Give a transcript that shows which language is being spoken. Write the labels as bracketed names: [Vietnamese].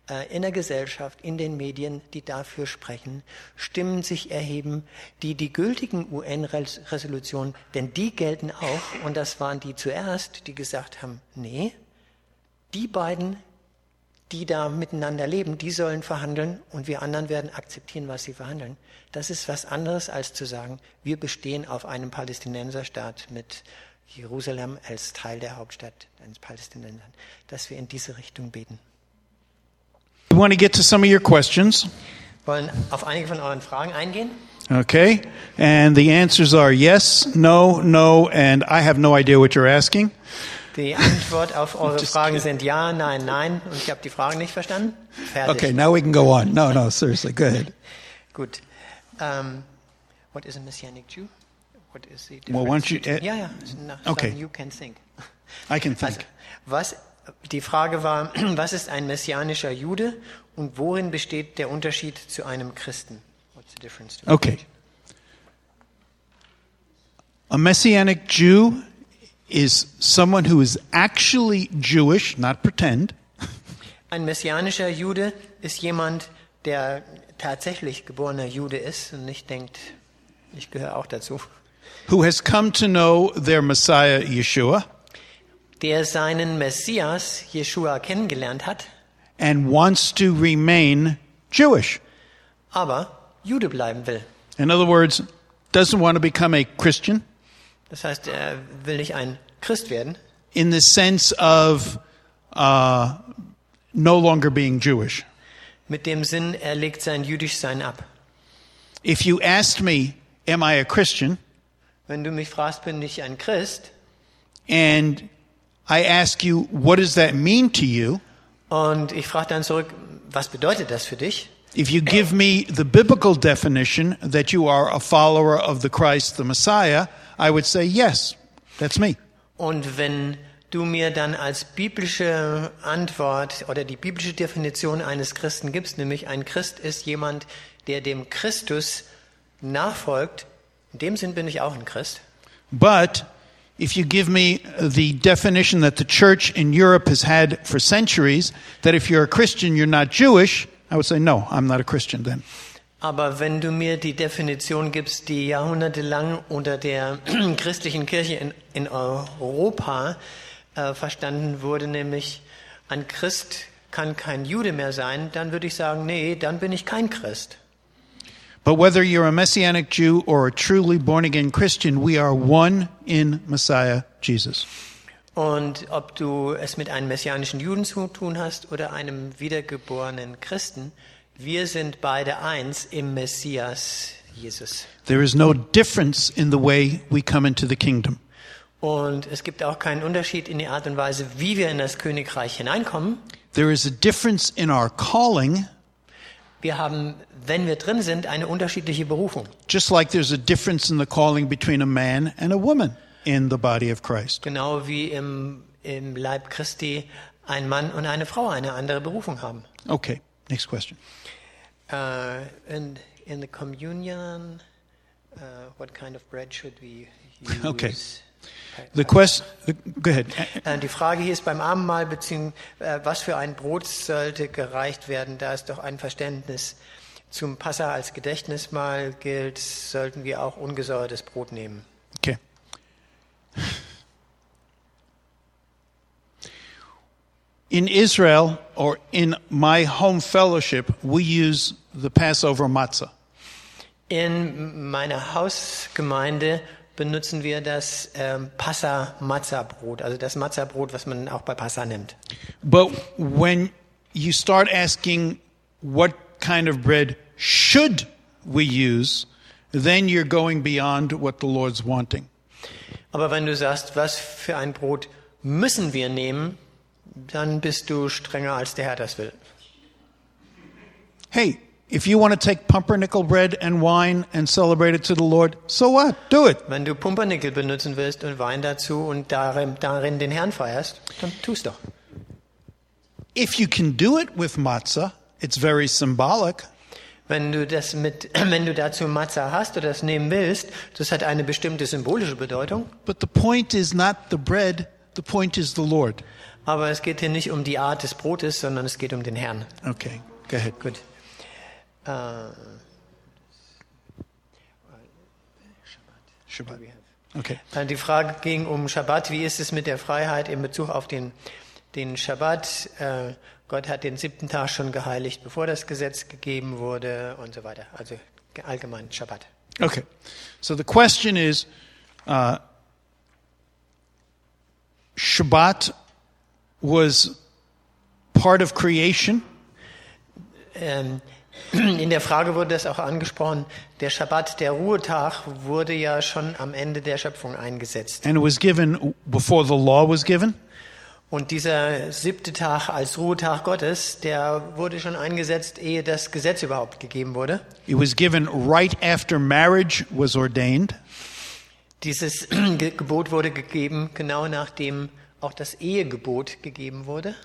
[German] in der Gesellschaft, in den Medien, die dafür sprechen, Stimmen sich erheben, die die gültigen UN-Resolutionen, denn die gelten auch, und das waren die zuerst, die gesagt haben, nee, die beiden, die da miteinander leben, die sollen verhandeln und wir anderen werden akzeptieren, was sie verhandeln. Das ist was anderes, als zu sagen, wir bestehen auf einem Palästinenserstaat mit Jerusalem als Teil der Hauptstadt eines Palästinensers, dass wir in diese Richtung beten. [English] We want to get to some of your questions. [German] Wollen auf einige von euren Fragen eingehen? [English] Okay, and the answers are yes, no, no, and I have no idea what you're asking. [German] Die Antwort auf eure Fragen sind ja, nein, nein, und ich habe die Fragen nicht verstanden. Fertig. [English] Okay, now we can go on. No, no, seriously, go ahead. Gut. What is a Messianic Jew? What is the difference? Well, won't you? Okay. You can think. I can think. [German] Also, was? Die Frage war, was ist ein messianischer Jude und worin besteht der Unterschied zu einem Christen? [English] What's the difference to a okay. Jewish? A messianic Jew is someone who is actually Jewish, not pretend. [German] Ein messianischer Jude ist jemand, der tatsächlich geborener Jude ist und nicht denkt, ich gehöre auch dazu. [English] Who has come to know their Messiah Yeshua? [German] Der seinen Messias Yeshua kennengelernt hat, [English] and wants to remain Jewish, [German] aber Jude bleiben will. [English] In other words, doesn't want to become a Christian. [German] Das heißt, er will nicht ein Christ werden. [English] In the sense of no longer being Jewish. [German] Mit dem Sinn, er legt sein Jüdischsein ab. [English] If you asked me, am I a Christian? [German] Wenn du mich fragst, bin ich ein Christ? [English] And I ask you, what does that mean to you? [German] Und ich frage dann zurück, was bedeutet das für dich? [English] If you give me the biblical definition that you are a follower of the Christ, the Messiah, I would say yes, that's me. [German] Und wenn du mir dann als biblische Antwort oder die biblische Definition eines Christen gibst, nämlich ein Christ ist jemand, der dem Christus nachfolgt, in dem Sinn bin ich auch ein Christ. [English] But if you give me the definition that the church in Europe has had for centuries, that if you're a Christian, you're not Jewish, I would say, no, I'm not a Christian then. [German] Aber wenn du mir die Definition gibst, die jahrhundertelang unter der christlichen Kirche in Europa verstanden wurde, nämlich ein Christ kann kein Jude mehr sein, dann würde ich sagen, nee, dann bin ich kein Christ. [English] But whether you're a messianic Jew or a truly born again Christian, we are one in Messiah Jesus. [German] Und ob du es mit einem messianischen Juden zu tun hast oder einem wiedergeborenen Christen, wir sind beide eins im Messias Jesus. [English] There is no difference in the way we come into the kingdom. [German] Und es gibt auch keinen Unterschied in der Art und Weise, wie wir in das Königreich hineinkommen. [English] There is a difference in our calling. [German] Wir haben, wenn wir drin sind, eine unterschiedliche Berufung. [English] Just like there's a difference in the calling between a man and a woman in the body of Christ. [German] Genau wie im Leib Christi ein Mann und eine Frau eine andere Berufung haben. [English] Okay, next question. In the communion, what kind of bread should we use? Okay. The quest, go ahead. [German] Die Frage hier ist beim Abendmahl, beziehungsweise was für ein Brot sollte gereicht werden, da es doch ein Verständnis zum Passah als Gedächtnismahl gilt, sollten wir auch ungesäuertes Brot nehmen. Okay. [English] In Israel, or in my home fellowship, we use the Passover matzah. [German] In meiner Hausgemeinde benutzen wir das Passa-Matza-Brot, also das Matza-Brot, was man auch bei Passa nimmt. [English] But when you start asking what kind of bread should we use, then you're going beyond what the Lord's wanting. Aber wenn du sagst, was für ein Brot müssen wir nehmen, dann bist du strenger, als der Herr das will. Hey, if you want to take pumpernickel bread and wine and celebrate it to the Lord, so what? Do it. [German] Wenn du Pumpernickel benutzen willst und Wein dazu und darin den Herrn feierst, dann tu's doch. [English] If you can do it with matzah, it's very symbolic. [German] Wenn du dazu Matzah hast oder das nehmen willst, das hat eine bestimmte symbolische Bedeutung. [English] But the point is not the bread, the point is the Lord. [German] Aber es geht hier nicht um die Art des Brotes, sondern es geht um den Herrn. [English] Okay, go ahead. [German] Gut. Okay. Die Frage ging um Schabbat. Wie ist es mit der Freiheit in Bezug auf den Schabbat? Gott hat den siebten Tag schon geheiligt, bevor das Gesetz gegeben wurde und so weiter. Also allgemein Schabbat. Okay. [English] So the question is, Schabbat was part of creation? [German] In der Frage wurde das auch angesprochen, der Schabbat, der Ruhetag, wurde ja schon am Ende der Schöpfung eingesetzt. [English] And was given before the law was given? [German] Und dieser siebte Tag als Ruhetag Gottes, der wurde schon eingesetzt, ehe das Gesetz überhaupt gegeben wurde. [English] It was given right after marriage was ordained. [German] Dieses Gebot wurde gegeben, genau nachdem auch das Ehegebot gegeben wurde.